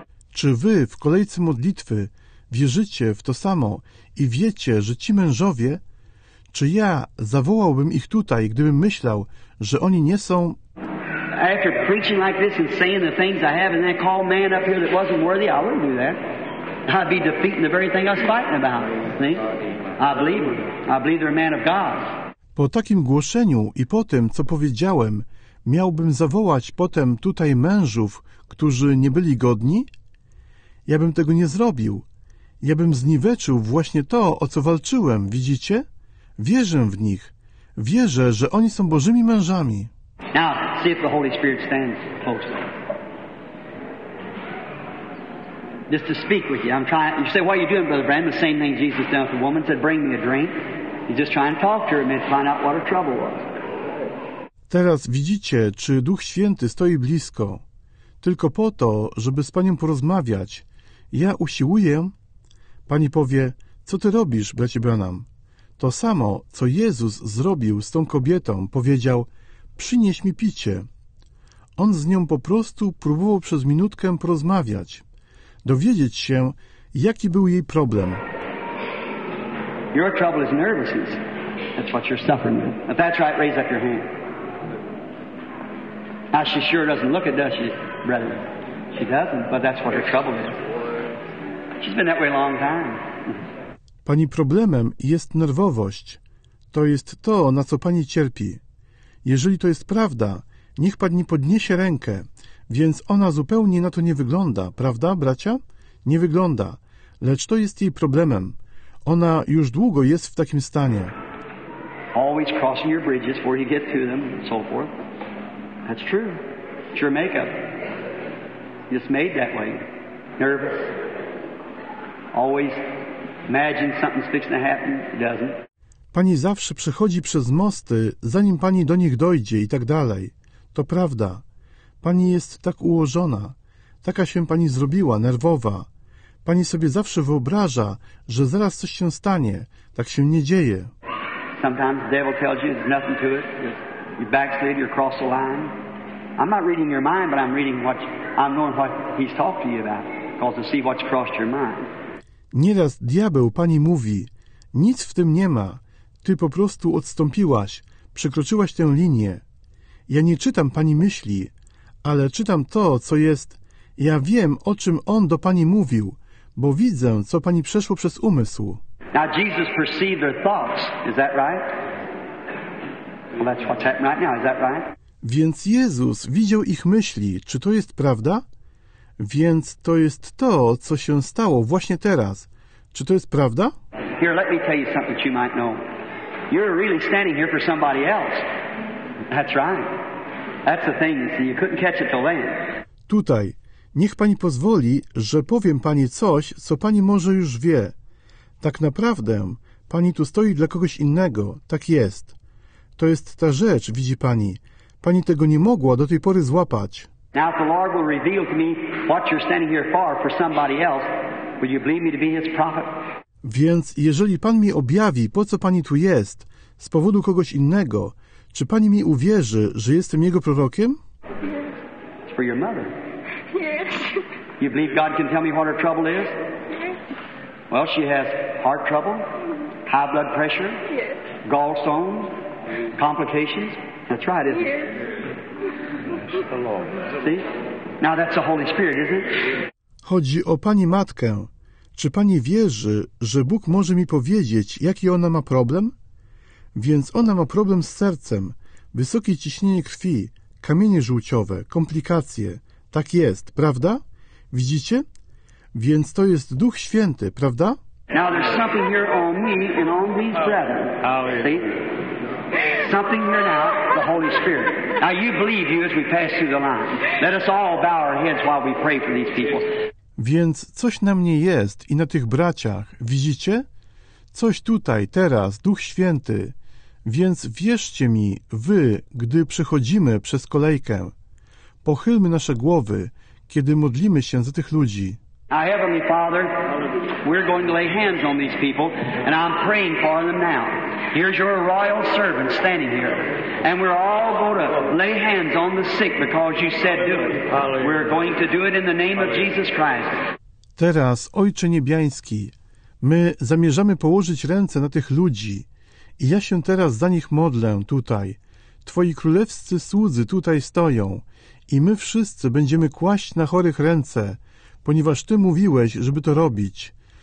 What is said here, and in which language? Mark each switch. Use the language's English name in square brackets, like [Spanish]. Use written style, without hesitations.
[Polish] Czy wy w kolejce modlitwy wierzycie w to samo i wiecie, że ci mężowie, czy ja zawołałbym ich tutaj, gdybym myślał, że oni nie są? [English] After preaching like this and saying the things I have and then call a man up here that wasn't worthy, I wouldn't do that. I'd be defeating the very thing I was fighting about. See? I believe they're a man of God. [Polish] Po takim głoszeniu i po tym, co powiedziałem, miałbym zawołać potem tutaj mężów, którzy nie byli godni? Ja bym tego nie zrobił. Ja bym zniweczył właśnie to, o co walczyłem, widzicie? Wierzę w nich. Wierzę, że oni są Bożymi mężami. [English] Now, see if the Holy Spirit stands close. Just to speak with you, I'm trying. You say, what are you doing, Brother Branham? The same thing Jesus done with the woman. Said, bring me a drink. He's just trying to talk to her and find out what her trouble was. [Polish] Teraz widzicie, czy Duch Święty stoi blisko. Tylko po to, żeby z panią porozmawiać. Ja usiłuję. Pani powie, co ty robisz, bracie Branham? To samo, co Jezus zrobił z tą kobietą, powiedział, przynieś mi picie. On z nią po prostu próbował przez minutkę porozmawiać. Dowiedzieć się, jaki był jej problem. [English] Your trouble is nervousness. That's what you're suffering with. If that's right, raise up your hand. Now she sure doesn't look it, does she, brother? She doesn't, but that's what her trouble is. She's been that way a long time. [Polish] Pani problemem jest nerwowość. To jest to, na co pani cierpi. Jeżeli to jest prawda, Niech pani podniesie rękę. Więc ona zupełnie na to nie wygląda, prawda, bracia? Nie wygląda. Lecz to jest jej problemem. Ona już długo jest w takim stanie. [English] Always crossing your bridges before you get to them and so forth. That's true. It's your makeup. Just made that way. Nervous. Always imagine something's fixing to happen. It doesn't. [Polish] Pani zawsze przechodzi przez mosty, zanim pani do nich dojdzie i tak dalej. To prawda. Pani jest tak ułożona. Taka się pani zrobiła, nerwowa. Pani sobie zawsze wyobraża, że zaraz coś się stanie. Tak się nie dzieje. [English] Sometimes the devil tells you there's nothing to it. You backslid, you cross the line. I'm not reading your mind, but I'm reading what I'm knowing what he's talked to you about, because to see what's crossed your mind. [Polish] Nieraz diabeł pani mówi, nic w tym nie ma. Ty po prostu odstąpiłaś, przekroczyłaś tę linię. Ja nie czytam pani myśli, ale czytam to, co jest. Ja wiem, o czym on do pani mówił, bo widzę, co pani przeszło przez umysł. [English] Now Jesus perceived their thoughts, is that right? Well, that's what's happening right now, is that right? [Polish] Więc Jezus widział ich myśli, czy to jest prawda? Więc to jest to, co się stało właśnie teraz. Czy to jest prawda? [English] Here, let me tell you something you might know. You're really standing here for somebody else. That's right. That's the thing, you see, you couldn't catch it till then. [Polish] Tutaj, niech pani pozwoli, że powiem pani coś, co pani może już wie. Tak naprawdę, pani tu stoi dla kogoś innego, tak jest. To jest ta rzecz, widzi pani. Pani tego nie mogła do tej pory złapać. [English] Now if the Lord will reveal to me what you're standing here for somebody else, would you believe me to be his prophet? [Polish] Więc jeżeli pan mi objawi, po co pani tu jest, z powodu kogoś innego, czy pani mi uwierzy, że jestem jego prorokiem? [English] It's for your mother. You believe God can tell me what her trouble is? Well, she has heart trouble, high blood pressure, gallstones, complications. That's right, isn't it? That's the Lord. See? Now that's the Holy Spirit, isn't it? [Polish] Chodzi o pani matkę. Czy pani wierzy, że Bóg może mi powiedzieć, jaki ona ma problem? Więc ona ma problem z sercem, wysokie ciśnienie krwi, kamienie żółciowe, komplikacje. Tak jest, prawda? Widzicie? Więc to jest Duch Święty, prawda? [English] Now there's something here on me and on these brethren. See? Something here now, the Holy Spirit. Now you believe you as we pass through the line. Let us all bow our heads while we pray for these people. [Polish] Więc coś na mnie jest i na tych braciach, widzicie? Coś tutaj, teraz, Duch Święty. Więc wierzcie mi, wy, gdy przechodzimy przez kolejkę. Pochylmy nasze głowy, kiedy modlimy się za tych ludzi. [English] Now, Heavenly Father, we're going to lay hands on these people, and I'm praying for them now. Here's your royal servant standing here, and we're all going to lay hands on the sick because you said do it. We're going to do it in the name of Jesus Christ. [Polish] Teraz, Ojcze Niebiański, my zamierzamy położyć ręce na tych ludzi i ja się teraz za nich modlę tutaj. Twoi królewscy słudzy tutaj stoją i my wszyscy będziemy kłaść na chorych ręce, ponieważ Ty mówiłeś, żeby to robić.